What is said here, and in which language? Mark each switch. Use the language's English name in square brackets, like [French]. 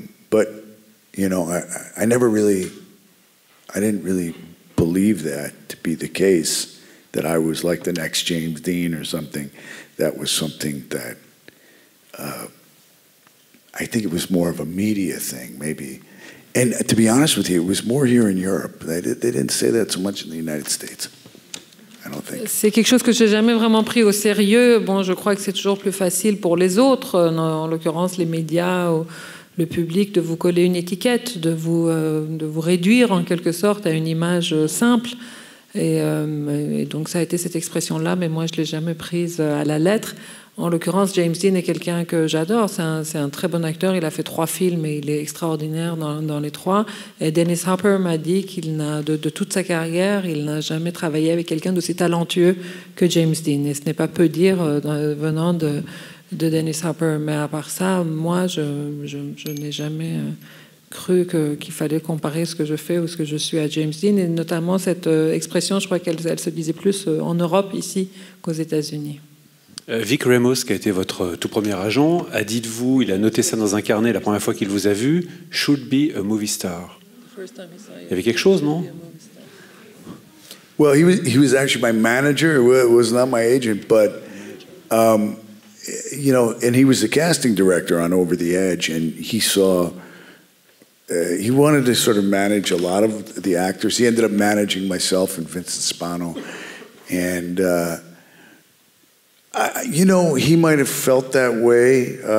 [English] But, you know, I didn't really believe that to be the case, that I was like the next James Dean or something. That was something that, I think it was more of a media thing, maybe. And to be honest with you, it was more here in Europe. They didn't say that so much in the United States. [French] C'est quelque chose que je n'ai jamais vraiment pris au sérieux. Bon, je crois que c'est toujours plus facile pour les autres, en l'occurrence les médias ou le public, de vous coller une étiquette, de vous réduire en quelque sorte à une image simple. Et donc ça a été cette expression-là, mais moi je ne l'ai jamais prise à la lettre. En l'occurrence, James Dean est quelqu'un que j'adore. C'est un très bon acteur. Il a fait 3 films et il est extraordinaire dans les 3. Et Dennis Hopper m'a dit qu'il n'a, de toute sa carrière, il n'a jamais travaillé avec quelqu'un d'aussi talentueux que James Dean. Et ce n'est pas peu dire venant de Dennis Hopper. Mais à part ça, moi, je n'ai jamais cru qu'il fallait comparer ce que je fais ou ce que je suis à James Dean. Et notamment cette expression, je crois qu'elle se disait plus en Europe ici qu'aux États-Unis. Vic Ramos, qui a été votre tout premier agent, a dit de vous, il a noté ça dans un carnet la première fois qu'il vous a vu, « [English] should be a movie star ». [French] Il y avait quelque chose, non? [English] Well, he was actually my manager, it was not my agent, but, you know, and he was the casting director on Over the Edge, and he saw, he wanted to sort of manage a lot of the actors. He ended up managing myself and Vincent Spano, and you know, he might have felt that way.